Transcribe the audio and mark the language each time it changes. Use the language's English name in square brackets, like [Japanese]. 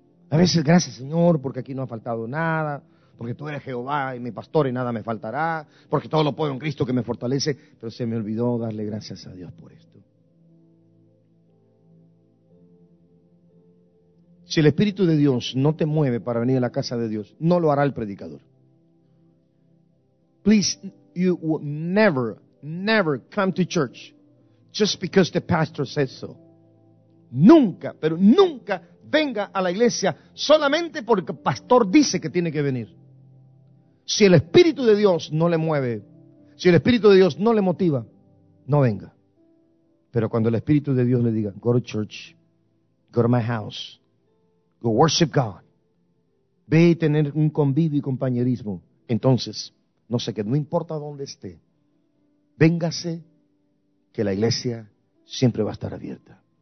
[Spanish] A veces, gracias, Señor, porque aquí no ha faltado nada. Porque tú eres Jehová y mi pastor y nada me faltará. Porque todo lo puedo en Cristo que me fortalece. Pero se me olvidó darle gracias a Dios por esto. Si el Espíritu de Dios no te mueve para venir a la casa de Dios, no lo hará el predicador. [English] Please, you will never, never come to church just because the pastor says so. [Spanish] Nunca, pero nunca venga a la iglesia solamente porque el pastor dice que tiene que venir. Si el Espíritu de Dios no le mueve, si el Espíritu de Dios no le motiva, no venga. Pero cuando el Espíritu de Dios le diga, [English] go to church, go to my house, go worship God, [Spanish] ve y tener un convivio y compañerismo, entonces, no sé qué, no importa dónde esté, véngase, que la iglesia siempre va a estar abierta.